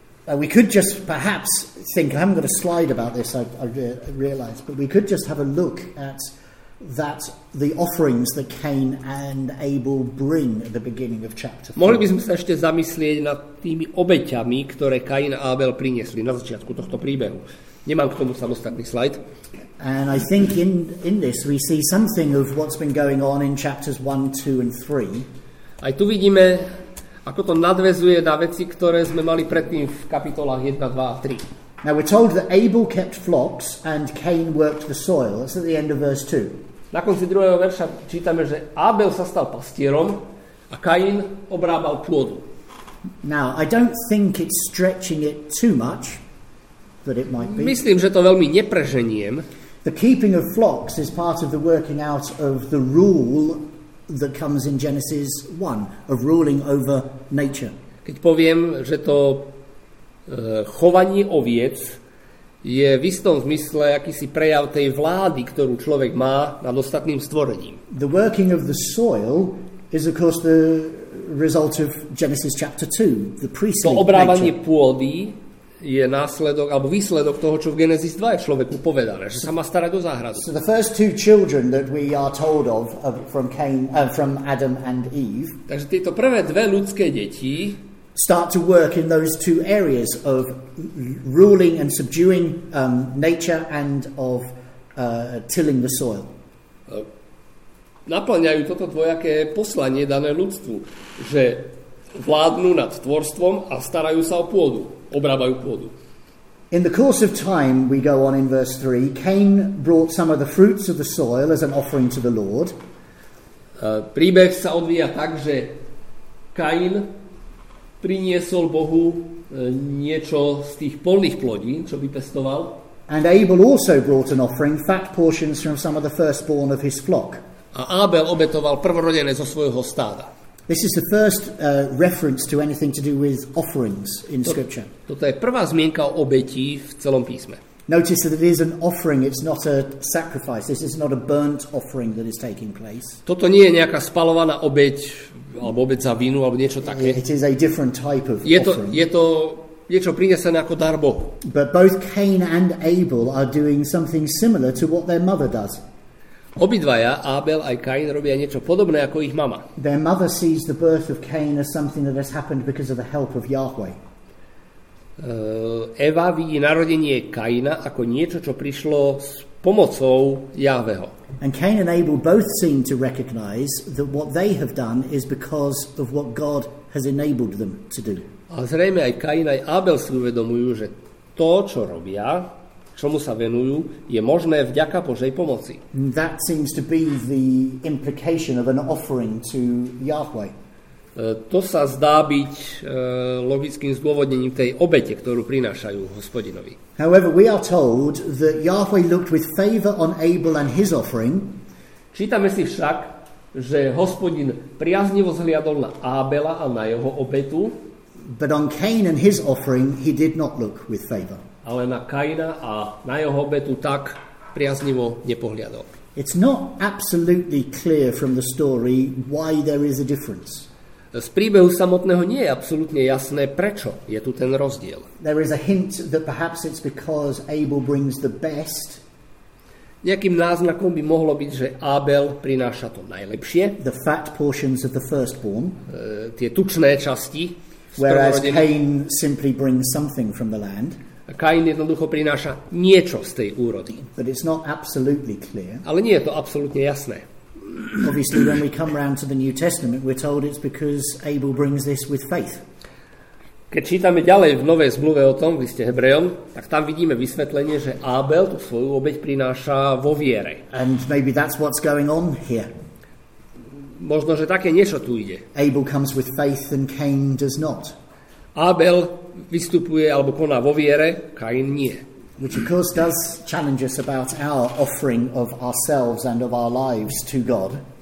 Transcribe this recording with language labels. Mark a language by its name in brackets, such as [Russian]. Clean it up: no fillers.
[English] We could just perhaps think, I haven't got a slide about this, I realize, but we could just have a look at that the offerings that Cain and Abel bring at the beginning of chapter 4. [Slovak] Mohli by sme sa ešte zamyslieť nad tými obeťami, ktoré Kain a Abel priniesli na začiatku tohto príbehu. Nemám k tomu samostatný slide. [English] And I think in this we see something of what's been going on in chapters 1, 2 and 3. [Slovak] Aj tu vidíme, ako to nadväzuje na veci, ktoré sme mali predtým v kapitolách 1, 2 a 3. [English] Now we're told that Abel kept flocks and Cain worked the soil. That's at the end of verse 2. [Slovak] Na konci druhého verša čítame, že Abel sa stal pastierom a Cain obrábal pôdu. [English] Now, I don't think it's stretching it too much, but it might be. [Slovak] Myslím, že to veľmi nepreženiem. [English] The keeping of flocks is part of the working out of the rule that comes in Genesis 1, of ruling over nature. [Slovak] Keď poviem, že to chovanie oviec je v istom zmysle akýsi prejav tej vlády, ktorú človek má nad ostatným stvorením. [English] The working of the soil is of course the result of Genesis chapter 2, the priestly nature. [Slovak] To obrábanie pôdy je následok alebo výsledok toho, čo v Genesis 2 je človeku povedané, že sa má starať o záhradu. [English] So the first two children that we are told of from Cain, from Adam and Eve. [Slovak] Takže tieto prvé dve ľudské deti [English] start to work in those two areas of ruling and subduing nature and of tilling the soil. [Slovak] Naplňajú toto dvojaké poslanie dané ľudstvu, že vládnu nad tvorstvom a starajú sa o pôdu, obrábajú pôdu. [English] In the course of time, we go on in verse 3, Cain brought some of the fruits of the soil as an offering to the Lord. [Slovak] Príbeh sa odvíja tak, že Cain priniesol Bohu niečo z tých polných plodín, čo vypestoval. [English] And Abel also brought an offering, fat portions from some of the firstborn of his flock. [Slovak] A Abel obetoval prvorodené zo svojho stáda. [English] This is the first reference to anything to do with offerings in scripture. [Slovak] Toto je prvá zmienka o obeti v celom písme. [English] Notice that it is an offering, it's not a sacrifice. This is not a burnt offering that is taking place. [Slovak] Toto nie je nejaká spaľovaná obeť alebo obeť za vinu alebo niečo také. [English] It is a different type of offering. [Slovak] Je to niečo prinesené ako dar Bohu. [English] But both Cain and Abel are doing something similar to what their mother does. [Slovak] Obidvaja, Abel aj Cain, robia niečo podobné ako ich mama. [English] Their mother sees the birth of Cain as something that has happened because of the help of Yahweh. [Slovak] Eva vidí narodenie Kaina ako niečo, čo prišlo s pomocou Jahveho. [English] And Cain and Abel both seem to recognize that what they have done is because of what God has enabled them to do. [Slovak] A zrejme aj Cain aj Abel si uvedomujú, že to, čo robia, čomu sa venujú, je možné vďaka Božej pomoci. [English] And that seems to be the implication of an offering to Yahweh. [Slovak] To sa zdá byť logickým zdôvodnením tej obete, ktorú prinášajú Hospodinovi. [English] However, we are told that Yahweh looked with favor on Abel and his offering. [Slovak] Čítame si však, že Hospodin priaznivo zhliadol na Abela a na jeho obetu. [English] But on Cain and his offering he did not look with favor. [Slovak] Ale na Kaina a na jeho obetu tak priaznivo nepohliadol. [English] It's not absolutely clear from the story why there is a difference. [Slovak] Z príbehu samotného nie je absolútne jasné, prečo je tu ten rozdiel. [English] There is a hint that perhaps it's because Abel brings the best. [Slovak] Nejakým náznakom by mohlo byť, že Abel prináša to najlepšie. [English] The fat portions of the firstborn. [Slovak] Tie tučné časti. [English] Whereas Cain simply brings something from the land. [Slovak] A Cain jednoducho prináša niečo z tej úrody. [English] But it's not absolutely clear. [Slovak] Ale nie je to absolútne jasné. [English] Obviously when we come round to the New Testament we're told it's because Abel brings this with faith. [Slovak] Keď čítame ďalej v Novej zmluve o tom, v liste Hebrejom, tak tam vidíme vysvetlenie, že Abel tú svoju obeť prináša vo viere. [English] And maybe that's what's going on here. [Slovak] Možno že také niečo tu ide. [English] Abel comes with faith and Cain does not. [Slovak] Abel vystupuje alebo koná vo viere, Cain nie. [English] Which of course does challenge us about our offering of ourselves and of our lives to God.